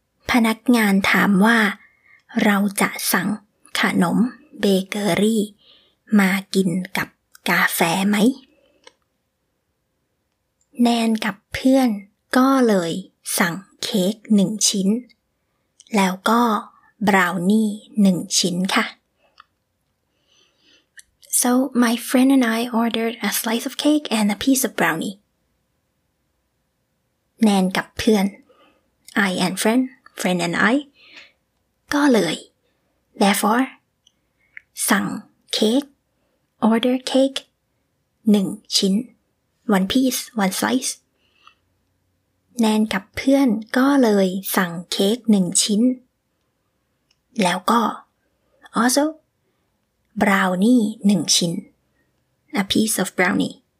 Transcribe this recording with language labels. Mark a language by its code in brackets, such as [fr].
[th] พนักงานถามว่าเราจะสั่งขนมเบเกอรี่มากินกับกาแฟไหมแนนกับเพื่อนก็เลยสั่งเค้ก1ชิ้นแล้วก็บราวนี่1ชิ้นค่ะ [en] So my friend and I ordered a slice of cake and a piece of brownie. แนนกับเพื่อน I and friend, friend and I ก็เลย Therefore สั่งเค้ก order cake 1ชิ้นone piece one slice [th] แนนกับเพื่อนก็เลยสั่งเค้ก1ชิ้นแล้วก็ [en] also brownie 1ชิ้น a piece of brownie